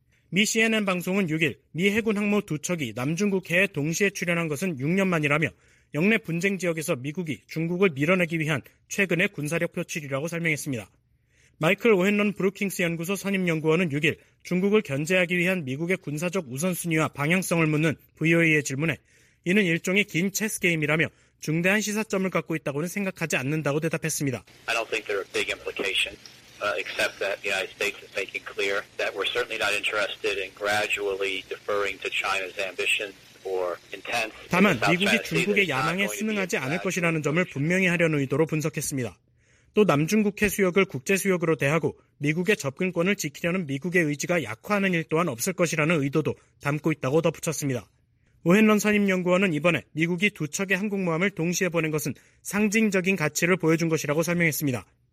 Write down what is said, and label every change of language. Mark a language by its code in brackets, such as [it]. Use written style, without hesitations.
[ko] 미 CNN 방송은 6일 미 해군 항모 두 척이 남중국해에 동시에 출연한 것은 6년 만이라며 영내 분쟁 지역에서 미국이 중국을 밀어내기 위한 최근의 군사력 표출이라고 설명했습니다. 마이클 오헨런 브루킹스 연구소 선임연구원은 6일 중국을 견제하기 위한 미국의 군사적 우선순위와 방향성을 묻는 VOA의 질문에 이는 일종의 긴 체스 게임이라며 중대한 시사점을 갖고 있다고는 생각하지 않는다고 대답했습니다. [en] I don't think there are big implications, except that the United States is making clear that we're certainly not interested in gradually deferring to China's ambition. [ko] 다만 미국이 중국의 야망에 순응하지 않을 것이라는 점을 분명히 하려는 의도로 분석했습니다. 또 남중국해 수역을 국제수역으로 대하고 미국의 접근권을 지키려는 미국의 의지가 약화하는 일 또한 없을 것이라는 의도도 담고 있다고 덧붙였습니다. 오헨런 선임연구원은 이번에 미국이 두 척의 항공모함을 동시에 보낸 것은 상징적인 가치를 보여준 것이라고 설명했습니다.